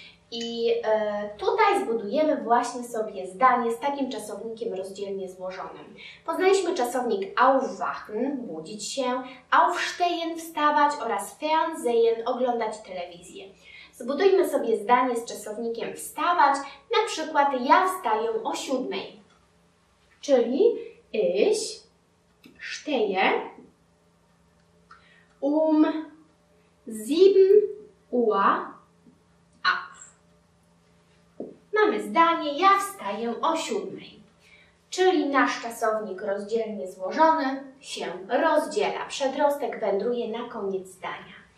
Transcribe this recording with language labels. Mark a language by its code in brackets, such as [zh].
[pl] I tutaj zbudujemy właśnie sobie zdanie z takim czasownikiem rozdzielnie złożonym. Poznaliśmy czasownik aufwachen, budzić się, aufstehen, wstawać oraz fernsehen, oglądać telewizję. Zbudujmy sobie zdanie z czasownikiem wstawać, na przykład ja wstaję o 7. [de] Czyli ich stehe um 7 Uhr auf. [pl] Mamy zdanie ja wstaję o 7. Czyli nasz czasownik rozdzielnie złożony się rozdziela. Przedrostek wędruje na koniec zdania.